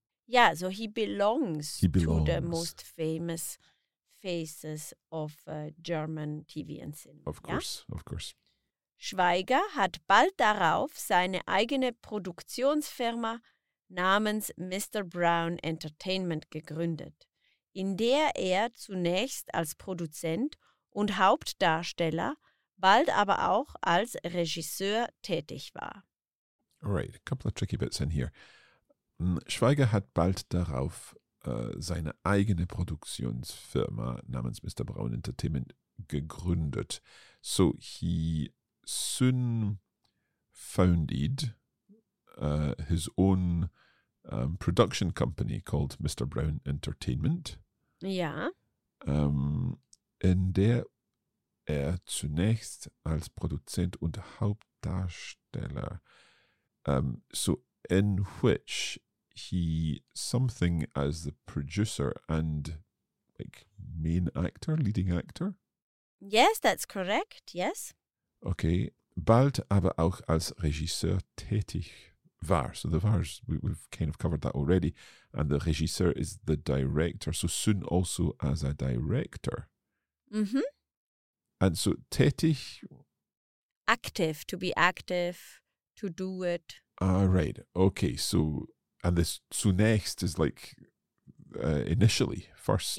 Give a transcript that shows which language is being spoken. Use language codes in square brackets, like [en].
[en] Yeah, so he belongs to the most famous faces of German TV and cinema. Of course. [de] Schweiger hat bald darauf seine eigene Produktionsfirma namens Mr. Brown Entertainment gegründet, in der er zunächst als Produzent und Hauptdarsteller, bald aber auch als Regisseur tätig war. [en] Right, a couple of tricky bits in here. [de] Schweiger hat bald darauf seine eigene Produktionsfirma namens Mr. Brown Entertainment gegründet. [en] So he soon founded his own production company called Mr. Brown Entertainment. [de] Ja. In der er zunächst als Produzent und Hauptdarsteller, [en] so in which he something as the producer and like main actor, leading actor? Yes, that's correct, yes. [de] Okay, bald aber auch als Regisseur tätig war. [en] So the VARs, we've kind of covered that already. And the Regisseur is the director. So soon also as a director. Mm-hmm. And so tätig? Active, to be active, to do it. Ah, right. Okay, so, and this zunächst is like initially, first.